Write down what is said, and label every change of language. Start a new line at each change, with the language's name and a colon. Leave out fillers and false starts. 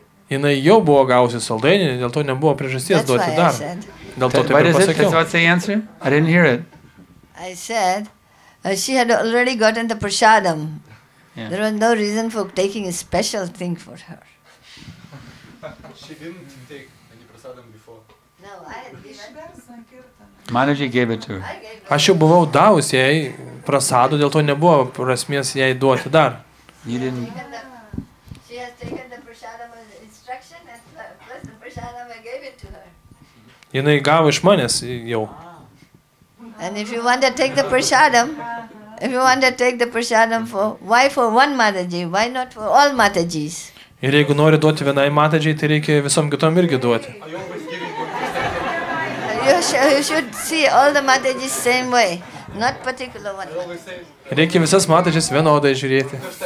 Lithuanian: Jinai jau buvo gavusi saldainį, dėl to nebuvo priežasties duoti dar. Dėl to taip ir pasakiau.
English: What's the answer? I didn't hear it. I said, she had already gotten the prasadam. Yeah. There was no reason for taking a special thing for her. She didn't take any prasadam before. No, I had given her. Manager gave it to her.
Lithuanian: Aš jau buvau davus jai prasadų, dėl to nebuvo prasmės jai duoti dar.
English: You didn't... She has taken the prasadam instruction and plus the prasadam I gave it to her.
Lithuanian: Jinai gavo iš manęs jau.
English: And if you want to take the prasadam, if you want to take the prasadam for, why for one Mataji? Why not for all Matajis?
Lithuanian: Ir jeigu nori duoti vienai Matajai, tai reikia visom kitom irgi duoti.
English: You should see all the Matajis same way, not particular one.
Lithuanian: Reikia visas Matajis vienodai žiūrėti.